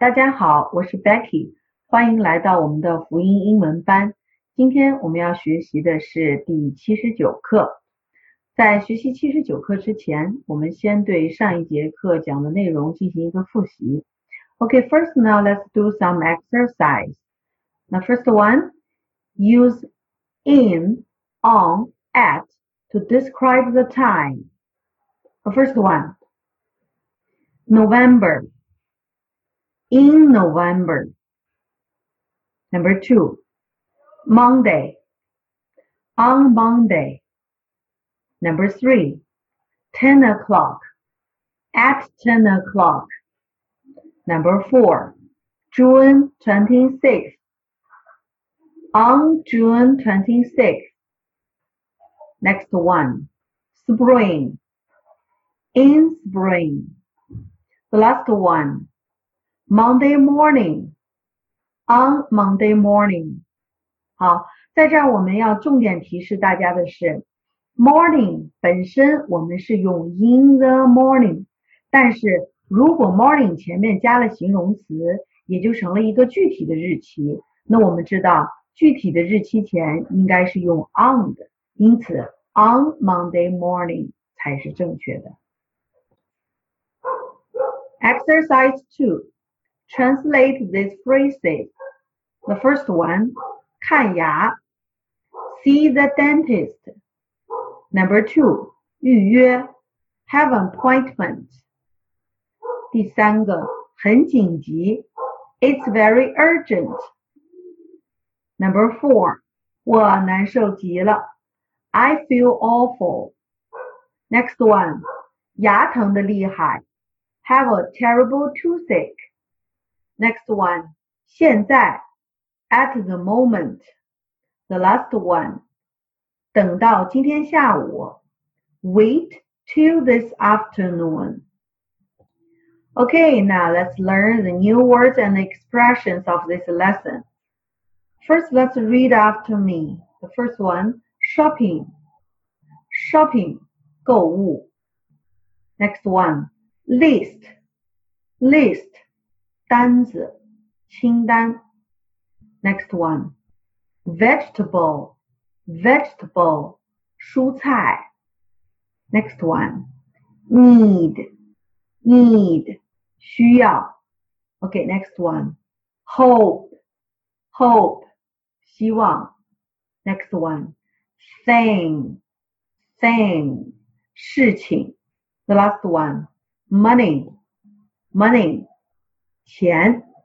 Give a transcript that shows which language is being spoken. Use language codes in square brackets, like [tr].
[zh] 大家好，我是 Becky， 欢迎来到我们的福音英文班。今天我们要学习的是第79课。在学习79课之前，我们先对上一节课讲的内容进行一个复习。 [en] Okay, first now let's do some exercise. The first one, use in, on, at to describe the time. The first one, November. In November. Number two, Monday. On Monday. Number three, 10 o'clock. At 10 o'clock. Number four, June 26th. On June 26th. Next one, spring. In spring. The last one,Monday morning, on Monday morning. [zh] 好，在这儿我们要重点提示大家的是 ,morning 本身我们是用 in the morning, 但是如果 morning 前面加了形容词也就成了一个具体的日期，那我们知道具体的日期前应该是用 on 的，因此 [en] on Monday morning [zh] 才是正确的。 [en] Exercise 2. Translate these phrases. The first one, [zh] 看牙 [en] See the dentist. Number two, [zh] 预约 [en] Have an appointment. [zh] 第三个，很紧急 [en] It's very urgent. Number four, [zh] 我难受极了 [en] I feel awful. Next one, [zh] 牙疼得厉害 [en] Have a terrible toothache. Next one, [zh] 现在 [en] at the moment. The last one, [zh] 等到今天下午 [en] wait till this afternoon. Okay, now let's learn the new words and expressions of this lesson. First, let's read after me. The first one, shopping. Shopping, [zh] 购物. [en] Next one, list. List. [zh] 单子清单 [en] Next one Vegetable Vegetable [zh] 蔬菜 [en] Next one Need Need [zh] 需要 [en] Okay, next one Hope Hope [zh] 希望 [en] Next one Thing Thing [zh] 事情 [en] The last one Money Money [zh] 钱，